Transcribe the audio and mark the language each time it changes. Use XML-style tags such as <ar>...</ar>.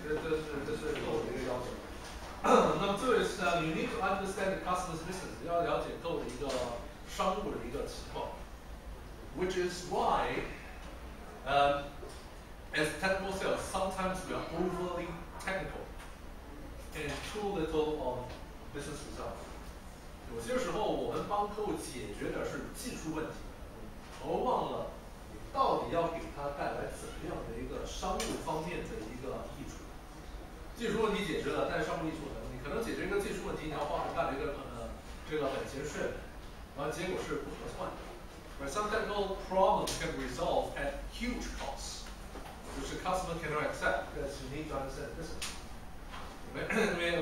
<en>This is global.</en> <zh>那么这位是</zh> <en>you need to understand the customer's business,</en> <zh>要了解够的一个商务的一个情况。</zh> <en>Which is why, as technical sales, sometimes we are overly technical and too little on business results.</en> <zh>有些时候我们帮客户解决的是技术问题，而忘了你到底要给他带来怎么样的一个商务方面的一个益处。技术问题解决了，但是商务益处呢？你可能解决一个技术问题，你要花很大的一个这个本钱税，完结果是不合算的。</zh> <en>But some technical problems can resolve at huge costs, which the customer cannot accept because you need to understand the business.</en>